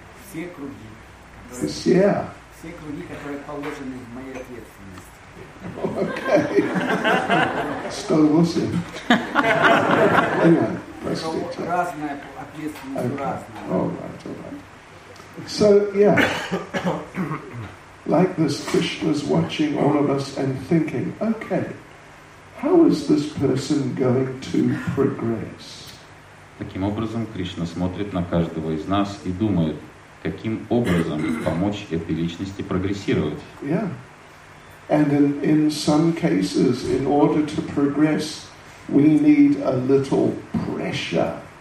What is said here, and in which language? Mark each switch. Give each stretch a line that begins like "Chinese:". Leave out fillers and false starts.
Russian: Все круги. Все? Все круги, которые положены в моей ответственности. Окей. 108.
English: Anyway,
Russian: простите. Разная ответственность, okay. Разная.
English: All right. So, yeah. Like this, Krishna's watching all of us and thinking, okay, how is this person going to progress?
Russian: Таким образом, Кришна смотрит на каждого из нас и думает, каким образом помочь этой личности прогрессировать.
English: Yeah. And in some cases, in order to progress, we need a little pressure.